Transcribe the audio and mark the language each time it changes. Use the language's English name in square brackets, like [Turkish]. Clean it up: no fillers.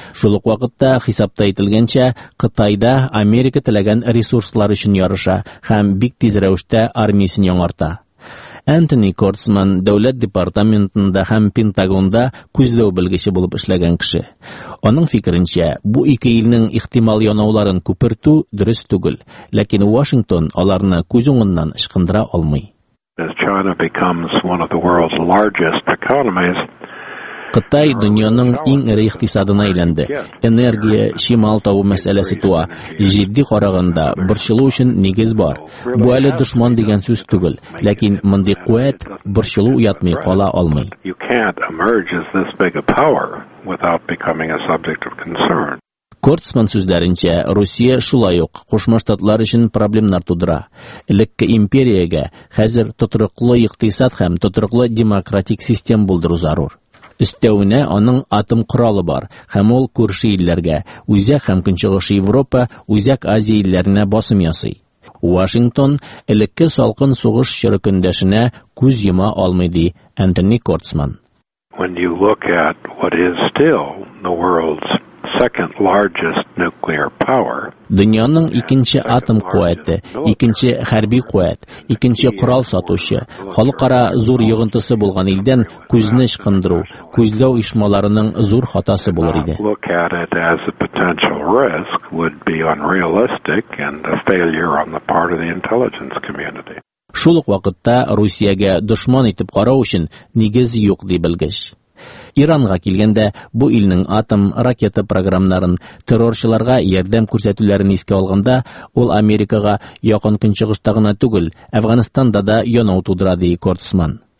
[Tatar] Шул ук вакытта хисапта әйтелгәнчә, Кытайда Америка теләгән ресурслар өчен ярыша һәм бик тиз рәвештә армиясен яңарта. Энтони Кортсман Дәүләт департаментында һәм Пентагонда күзләү белгече булып эшләгән кеше. Аның фикеренчә, бу ике илнең ихтимал янауларын күпертү дөрес түгел, ләкин Вашингтон аларны күз уңыннан ышкындыра алмый. [English] As China becomes one of the world's largest economies, [Tatar] Кытай дөньяның иң эре икътисадына әйләнде. Энергия, шимал табу мәсьәләсе туа. Җитди караганда, борчылу өчен нигез бар. Бу әле дошман дигән сүз түгел, ләкин мондый куәт борчылу уятмый кала алмый. [English] You can't emerge as this big a power without becoming a subject of concern. [Tatar] Кортсман сүзләренчә, Русия шулай ук Кушма Штатлар өчен проблемнар тудыра. Элекке империягә хәзер тотрыклы икътисад һәм тотрыклы демократик система булдыру зарур. Өстәүенә аның атом құралы бар, һәм ул күрше илләргә, үзәк һәм көнчыгыш Европа, үзәк Азия илләренә басым ясый. Вашингтон элекке салкын сугыш чоры көндәшенә күз йома алмый, ди Энтони Кортсман. [English] When you look at what is still the world's second largest nuclear power. [Tatar] Дөньяның икенче атом куәте, икенче хәрби куәт, икенче курал сатучы, халыкара зур йогынтысы булган илдән күзне чыкындыру, күзләү ишмаларының зур хатасы булыр иде. [English] Look at it as a potential risk would be unrealistic and a failure on the part of the intelligence community. [Tatar] Шул ук вакытта Русиягә дошман итеп карау өчен нигез юк, ди белгеч. Иранга килгәндә, бу илнең атом ракета программаларын террорчыларга ярдәм күрсәтүләрен искә алганда, ул Америкага якын көнчыгышта гына түгел, Афганстанда да яңа тудыра, ди Кортсман.